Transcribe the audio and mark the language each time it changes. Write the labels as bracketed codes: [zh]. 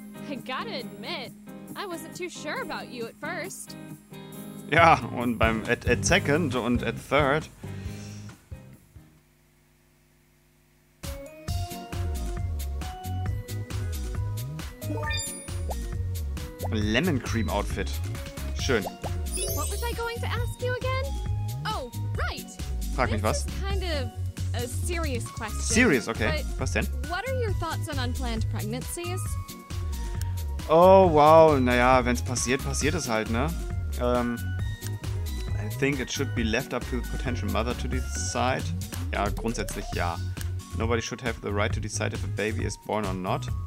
[en] I gotta admit, I wasn't too sure about you at first. [de] Ja, und beim [en] at second [de] und [en] at third. [de] Lemon Cream Outfit. Schön. [en] What was I going to ask you again? Oh, right. [de] Frag mich was. [en] Kind of a serious question. Serious, [de] okay. Was denn? [en] What are your thoughts on unplanned pregnancies? Oh, wow. [de] Naja, wenn es passiert, passiert es halt, ne? [en] I think it should be left up to the potential mother to decide. [de] Ja, grundsätzlich ja. [en] Nobody should have the right to decide if a baby is born or not.